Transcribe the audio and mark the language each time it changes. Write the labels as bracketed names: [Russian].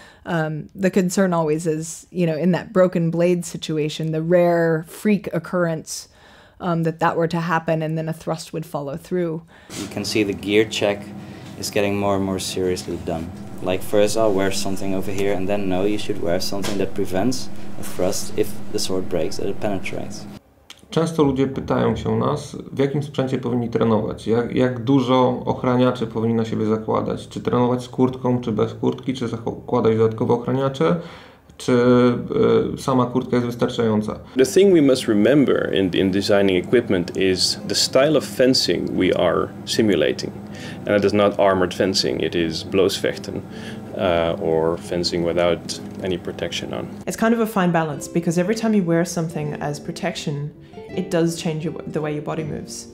[English] The concern always is, you know, in that broken blade situation, the rare freak occurrence that were to happen and then a thrust would follow through. You can see the gear check is getting more and more seriously done. Like, first I'll wear something over here, and then no, you should wear something that prevents a thrust if the sword breaks, that it penetrates. [Polish] Często ludzie pytają się nas, w jakim sprzęcie powinni trenować, jak dużo ochraniaczy powinni na siebie zakładać, czy trenować z kurtką, czy bez kurtki, czy zakładać dodatkowe ochraniacze, czy sama kurtka jest wystarczająca. [English] The thing we must remember in designing equipment is the style of fencing we are simulating. And it is not armored fencing, it is blowsvechten. Or fencing without any protection on. It's kind of a fine balance because every time you wear something as protection, it does change the way your body moves.